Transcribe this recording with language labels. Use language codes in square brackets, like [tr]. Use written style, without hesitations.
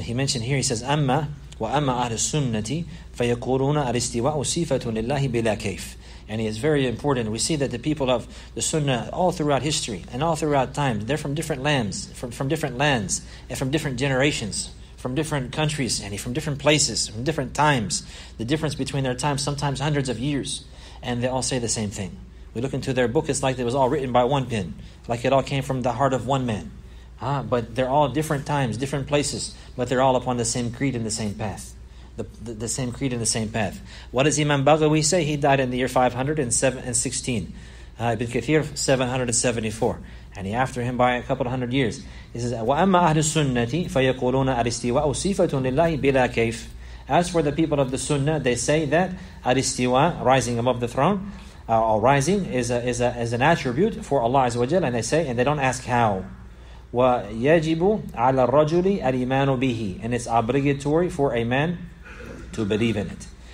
[en] He mentioned here, he says, [ar] وَأَمَّا أَهْلِ السُّنَّةِ فَيَقُولُونَ الْإِسْتِوَاءُ صِفَةٌ لِلَّهِ بِلَا كَيْفٍ. [en] And it's very important. We see that the people of the Sunnah all throughout history and all throughout time, they're from different lands, from different lands, and from different generations, from different countries, and from different places, from different times. The difference between their times, sometimes hundreds of years. And they all say the same thing. We look into their book, it's like it was all written by one pen. Like it all came from the heart of one man. But they're all different times, different places. But they're all upon the same creed and the same path. The same creed and the same path. What does Imam Baghawi say? He died in the year 516. Ibn Kathir, 774. And he after him by a couple of hundred years. He says, [ar] وَأَمَّا أَهْلُ السُنَّةِ فَيَقُولُونَ الْإِسْتِوَاءُ صِفَةٌ لِلَّهِ بِلَا كَيْفٍ. [en] As for the people of the Sunnah, they say that al-istiwa, rising above the throne, or rising, is an attribute for Allah Azza wa Jalla, and they say, and they don't ask how. [ar] Wa yajibu ala rajuli al-imanu bihi, [en] and it's obligatory for a man to believe in it.